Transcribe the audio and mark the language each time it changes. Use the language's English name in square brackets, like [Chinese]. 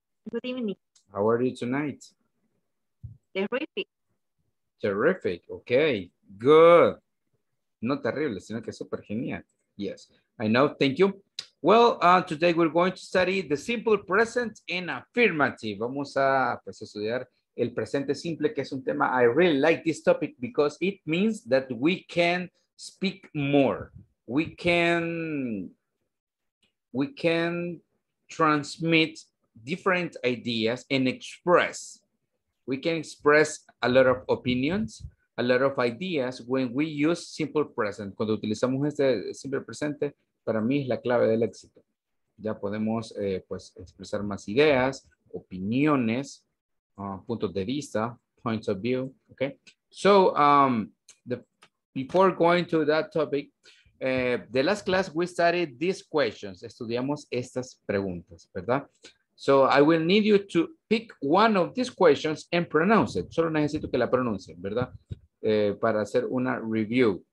[English] Good evening. How are you tonight? Terrific. Terrific, okay, good. [Spanish] No terrible, sino que super genial. [English] Yes, I know, thank you. Well, today we're going to study the simple present and affirmative. [Spanish] Vamos a pues, estudiar el presente simple, que es un tema. [English] I really like this topic because it means that we can speak more. We can transmit different ideas and express. We can express a lot of opinions, a lot of ideas when we use simple present. [Spanish] Cuando utilizamos este simple presente, para mí es la clave del éxito. Ya podemos pues expresar más ideas, opiniones, puntos de vista, [English] points of view. Okay. So before going to that topic, the last class we studied these questions. [Spanish] Estudiamos estas preguntas, ¿verdad? [English] So I will need you to pick one of these questions and pronounce it. [Spanish] Solo necesito que la pronuncien, ¿verdad? Para hacer una review.